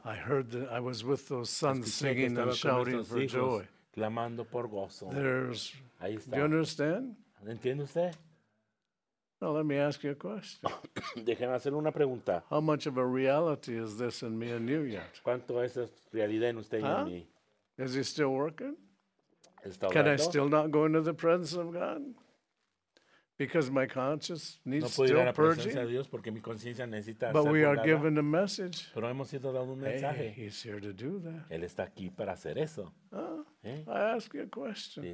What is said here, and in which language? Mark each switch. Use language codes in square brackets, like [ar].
[en] I heard that I was with those sons [es] escuché [en] singing and shouting for [es] hijos. [en] Joy. [es] Clamando por gozo. [en] There's, [es] ahí está. [en] Do you understand? [es] ¿Entiende usted? [en] No, let me ask you a question. [es] Déjenme hacer una pregunta. [en] How much of a reality is this in me and you yet? [es] ¿Cuánto es realidad en usted y en mí? [en] Is he still working? [es] ¿Está [en] Can [es] hablando? [en] I still not go into the presence of God? Because my conscience needs [es] no puedo [en] still [es] ir a la [en] purging. [es] Presencia de Dios porque mi conciencia necesita [en] But [es] ser [en] we [es] purgada. [en] Are given a message. [es] Pero hemos sido dado un mensaje. [en] Hey, he's here to do that. [es] Él está aquí para hacer eso. [en] I ask you a question.